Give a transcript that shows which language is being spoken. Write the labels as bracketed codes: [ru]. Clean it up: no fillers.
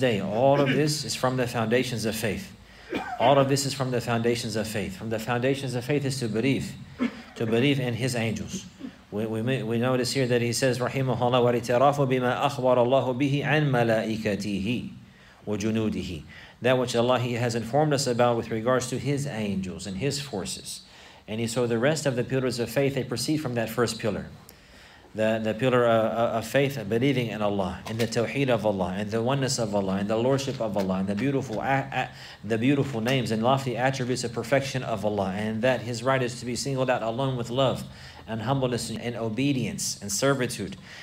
[en] All of this is from the foundations of faith. All of this is from the foundations of faith. From the foundations of faith is to believe in His angels. We notice here that he says, [ar] "Rahimahullah, وَالْإِتِرَافُ بِمَا أَخْبَرَ اللَّهُ بِهِ عَنْ مَلَائِكَتِهِ وَجُنُودِهِ." [en] That which Allah He has informed us about with regards to His angels and His forces. And so the rest of the pillars of faith, they proceed from that first pillar. The pillar of faith, believing in Allah, in the Tawheed of Allah, and the oneness of Allah, and the Lordship of Allah, and the beautiful names and lofty attributes of perfection of Allah, and that His right is to be singled out alone with love and humbleness and obedience and servitude.